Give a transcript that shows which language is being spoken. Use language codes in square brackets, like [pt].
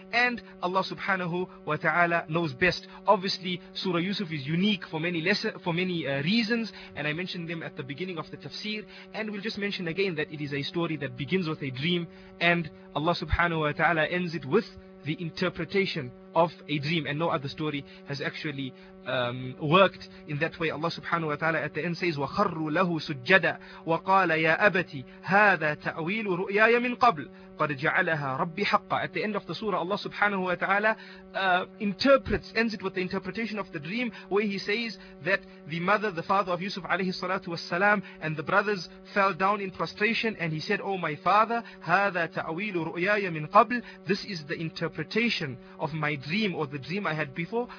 [en] And Allah subhanahu wa ta'ala knows best. Obviously, Surah Yusuf is unique for many reasons. And I mentioned them at the beginning of the tafsir. And we'll just mention again that it is a story that begins with a dream. And Allah subhanahu wa ta'ala ends it with the interpretation of a dream, and no other story has actually worked in that way. Allah subhanahu wa ta'ala at the end says, [ar] وَخَرُّ لَهُ سُجَّدًا وَقَالَ يَا أَبَتِ هَذَا تَأْوِيلُ رُؤْيَايَ مِنْ قَبْلِ قَدْ جَعَلَهَا رَبِّ حَقَّ. [en] At the end of the surah, Allah subhanahu wa ta'ala ends it with the interpretation of the dream, where he says that the mother, the father of Yusuf alayhi salatu wassalam, and the brothers fell down in prostration, and he said, oh my father, [ar] هَذَا تَأْوِيلُ رُؤْيَايَ مِنْ قَبْلِ, [en] this is the interpretation of my dream, or the dream I had before.